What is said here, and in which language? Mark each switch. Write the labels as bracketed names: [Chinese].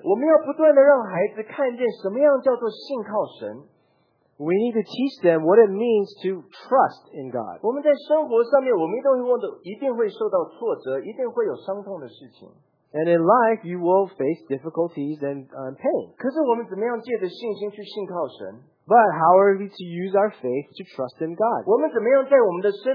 [English] We need to teach them what it means to trust in God. And in life, you will face difficulties and pain. [Chinese] 可是我们怎么样借着信心去信靠神? [English] But how are we to use our faith to trust in God?